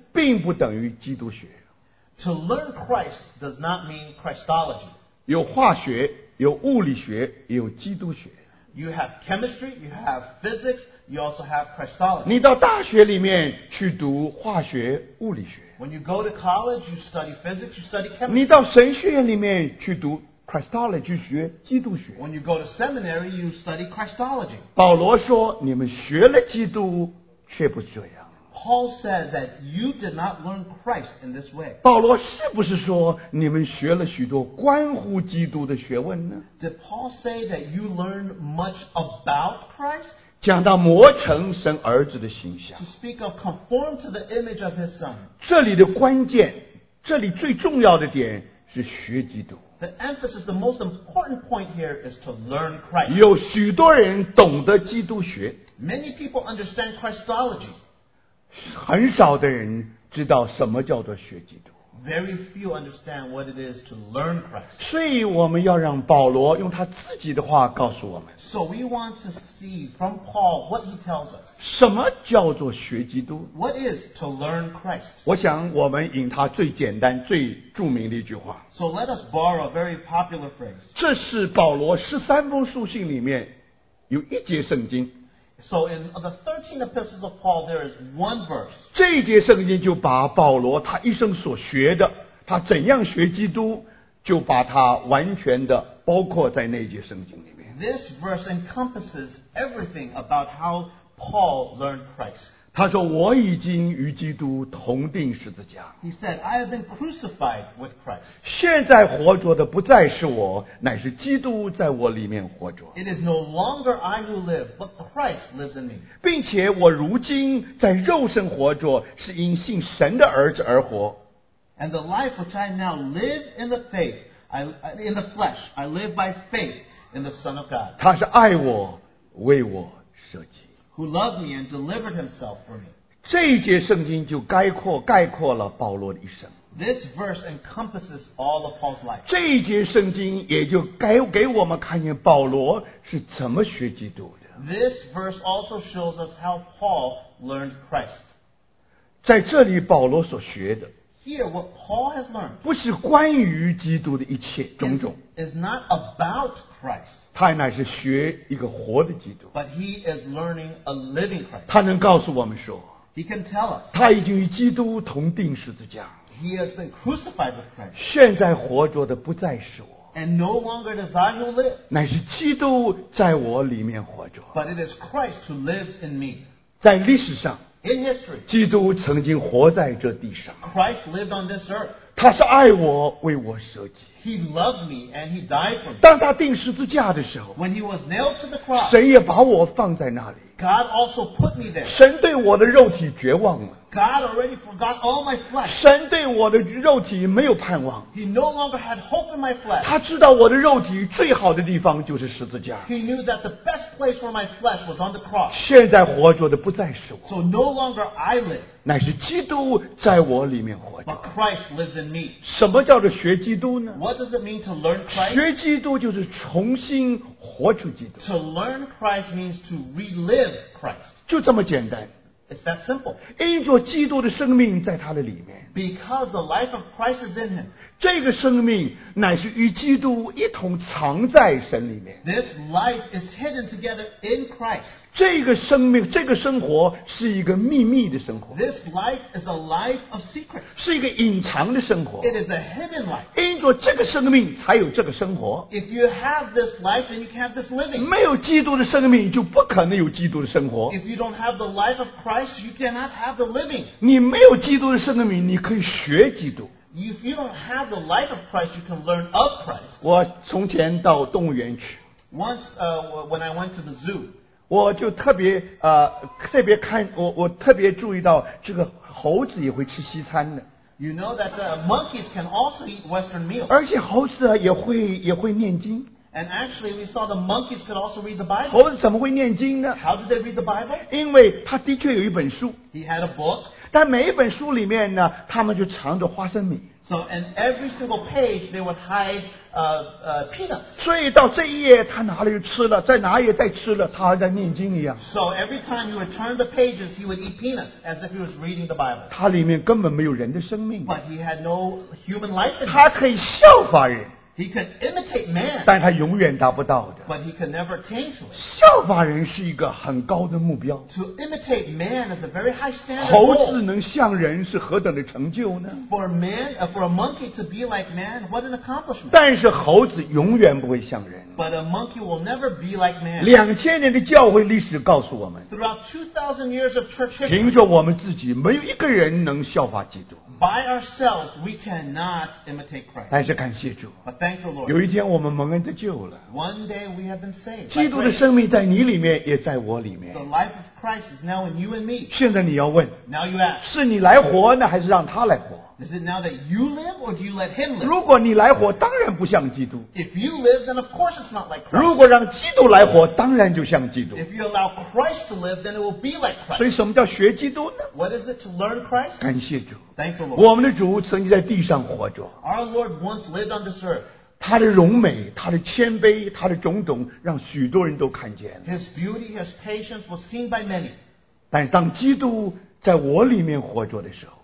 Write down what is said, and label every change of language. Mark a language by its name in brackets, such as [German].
[Chinese] 基督学并不等于基督学。 [English] To learn Christ does not mean Christology. [Chinese] 有化学, 有物理学, 有基督学。 [English] You have chemistry, you have physics, you also have Christology. [Chinese] 你到大学里面去读化学、物理学。 [English] When you go to college, you study physics, you study chemistry. [Chinese] 你到神学院里面去读 Christology, 学基督学。 [English] When you go to seminary, you study Christology. [Chinese] 保罗说, 你们学了基督, 却不这样。 [English] Paul said that you did not learn Christ in this way. [Chinese] 保罗是不是说, 你们学了许多关乎基督的学问呢? [English] Did Paul say that you learned much about Christ? [Chinese] 讲到磨成神儿子的形象。 [English] To speak of conform to the image of his son. [Chinese] 这里的关键, 这里最重要的点是学基督。 [English] The emphasis, the most important point here is to learn Christ. [Chinese] 有许多人懂得基督学。 [English] Many people understand Christology. [Chinese] 很少的人知道什么叫做学基督。 [English] Very few understand what it is to learn Christ. [Chinese] 所以我们要让保罗用他自己的话告诉我们。 [English] So we want to see from Paul what he tells us. [Chinese] 什么叫做学基督？ [English] What is to learn Christ? [Chinese] 我想我们引他最简单、最著名的一句话。 [English] So let us borrow a very popular phrase. [Chinese] 这是保罗十三封书信里面有一节圣经。 [English] So in the 13 epistles of Paul, there is one verse. [Chinese] 这一节圣经就把保罗他一生所学的，他怎样学基督，就把他完全的包括在那一节圣经里面。 [English] This verse encompasses everything about how Paul learned Christ. [Chinese] 他说我已经与基督同钉十字架。 [English] He said, I have been crucified with Christ. [Chinese] 现在活着的不再是我，乃是基督在我里面活着。 [English] It is no longer I who live, but Christ lives in me. [Chinese] 并且我如今在肉身活着，是因信神的儿子而活。 [English] And the life which I now live in the faith, in the flesh, I live by faith in the Son of God. [Chinese] 他是爱我，为我舍己。 [English] Who loved me and delivered himself for me. [Chinese] 这一节圣经就概括了保罗的一生。 [English] This verse encompasses all of Paul's life. [Chinese] 这一节圣经也就给我们看见保罗是怎么学基督的。 [English] This verse also shows us how Paul learned Christ. [Chinese] 在这里保罗所学的。 [English] Here, what Paul has learned. [Chinese] 不是关于基督的一切种种。 [English] Is not about Christ. [Chinese] 他乃是学一个活的基督。 [English] But he is learning a living Christ. [Chinese] 他能告诉我们说。 [English] He can tell us. [Chinese] 他已经与基督同钉十字架。 [English] He has been crucified with Christ. [Chinese] 现在活着的不再是我。 [English] And no longer does I who live. [Chinese] 乃是基督在我里面活着。 [English] But it is Christ who lives in me. [Chinese] 在历史上。 [English] In history. [Chinese] 基督曾经活在这地上。 [English] Christ lived on this earth. [Chinese] 他是爱我，为我舍己。 [English] He loved me and he died for me. [Chinese] 当他钉十字架的时候， [English] When he was nailed to the cross, [Chinese] 神也把我放在那里。 [English] God also put me there. [Chinese] 神对我的肉体绝望了。 [English] God already forgot all my flesh. [Chinese] 神对我的肉体没有盼望。 [English] He no longer had hope in my flesh. [Chinese] 他知道我的肉体最好的地方就是十字架。 [English] He knew that the best place for my flesh was on the cross. [Chinese] 现在活着的不再是我。 [English] So no longer I live. [Chinese] 乃是基督在我里面活着。 [English] But Christ lives in me. [Chinese] 什么叫做学基督呢？ [English] What does it mean to learn Christ? [Chinese] 学基督就是重新活出基督。 [English] To learn Christ means to relive Christ. [Chinese] 就这么简单。 [English] It's that simple. [Chinese] 因着基督的生命在他的里面。 [English] Because the life of Christ is in him. [Chinese] 这个生命乃是与基督一同藏在神里面。 [English] This life is hidden together in Christ. [Chinese] 这个生命，这个生活是一个秘密的生活。 [English] This life is a life of secret. [Chinese] 是一个隐藏的生活。 [English] It is a hidden life. [Chinese] 因着这个生命才有这个生活。 [English] If you have this life, then you can have this living. [Chinese] 没有基督的生命就不可能有基督的生活。 [English] If you don't have the life of Christ, you cannot have the living. [Chinese] 你没有基督的生命，你可以学基督。 [English] If you don't have the life of Christ, you can learn of Christ. [Chinese] 我从前到动物园去。 [English] Once, when I went to the zoo, [Chinese] 我就特别特别看我特别注意到这个猴子也会吃西餐的。 [English] You know that monkeys can also eat Western meals. [Chinese] 而且猴子也会念经。 [English] And actually, we saw the monkeys could also read the Bible. [Chinese] 猴子怎么会念经呢？ [English] How did they read the Bible? [Chinese] 因为他的确有一本书。 [English] He had a book. [Chinese] 但每一本书里面呢，他们就藏着花生米。 [English] So in every single page they would hide peanuts. [Chinese] 所以到这一页他拿了就吃了，再拿一页再吃了，他还在念经一样。 [English] So every time he would turn the pages, he would eat peanuts as if he was reading the Bible. [Chinese] 他里面根本没有人的生命。 [English] But he had no human life in him. [Chinese] 他可以效法人。 [English] He could imitate man. [Chinese] 但他永远达不到的。 [English] But he could never attain to it. [Chinese] 效法人是一个很高的目标。 [English] To imitate man is a very high standard. [Chinese] 猴子能像人是何等的成就呢？ [English] For a monkey to be like man, what an accomplishment. [Chinese] 但是猴子永远不会像人。 [English] But a monkey will never be like man. [Chinese] 2000年的教会历史告诉我们。 [English] Throughout 2000 years of church history. [Chinese] 凭着我们自己，没有一个人能效法基督。 [English] By ourselves, we cannot imitate Christ. [Chinese] 但是感谢主。 [English] But thank you, Lord. [Chinese] 有一天我们蒙恩得救了。 [English] One day we have been saved. [Chinese] 基督的生命在你里面，也在我里面。 [English] The life of Christ is now in you and me. [Chinese] 现在你要问。 [English] Now you ask. [Chinese] 是你来活呢，还是让他来活？ [English] Is it now that you live or do you let him live? [Chinese] 如果你来活, 当然不像基督。 [English] If you live, then of course it's not like Christ. [Chinese] 如果让基督来活, 当然就像基督。 [English] If you allow Christ to live, then it will be like Christ. [Chinese] 所以什么叫学基督呢? [English] What is it to learn Christ? [Chinese] 感谢主。 [English] Thank the Lord. [Chinese] 我们的主曾经在地上活着。 [English] Our Lord once lived on this earth. [Chinese] 他的荣美, 他的谦卑, 他的种种, 让许多人都看见。 [English] His beauty, his patience was seen by many. [Chinese] 但当基督在我里面活着的时候,